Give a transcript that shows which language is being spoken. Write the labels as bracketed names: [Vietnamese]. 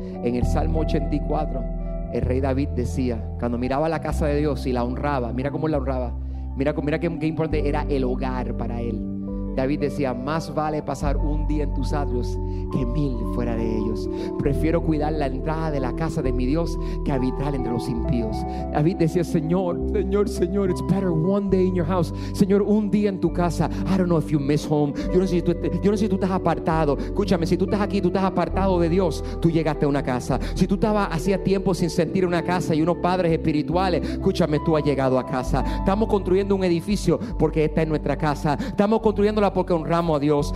[Spanish] En el Salmo 84 el rey David decía, cuando miraba la casa de Dios y la honraba, mira cómo la honraba, mira qué importante era el hogar para él. David decía, más vale pasar un día en tus atrios que mil fuera de ellos. Prefiero cuidar la entrada de la casa de mi Dios que habitar entre los impíos. David decía, Señor, [English] it's better one day in your house. [Spanish] Señor, un día en tu casa. [English] I don't know if you miss home. [Spanish] Yo no sé si tú estás apartado. Escúchame, si tú estás aquí, tú estás apartado de Dios, tú llegaste a una casa. Si tú estabas hacía tiempo sin sentir una casa y unos padres espirituales, escúchame, tú has llegado a casa. Estamos construyendo un edificio porque esta es nuestra casa. Estamos construyendo porque honramos a Dios.